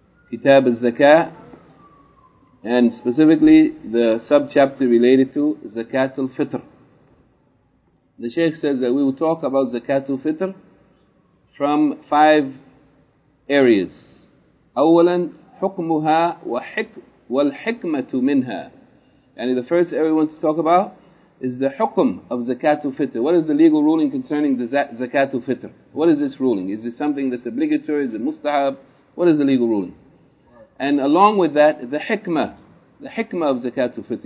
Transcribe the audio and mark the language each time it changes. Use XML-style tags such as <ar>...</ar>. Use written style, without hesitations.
<en>Kitab al-Zakat. And specifically, the sub-chapter related to Zakat al-Fitr. The Shaykh says that we will talk about Zakat al-Fitr from five areas.</en> <ar>أولاً حكمها والحكمة منها.</ar> <en>And the first area we want to talk about is the حكم of Zakat al-Fitr. What is the legal ruling concerning the Zakat al-Fitr? What is this ruling? Is this something that's obligatory? Is it mustahab? What is the legal ruling? And along with that, the hikmah. The hikmah of Zakat al-Fitr.</en>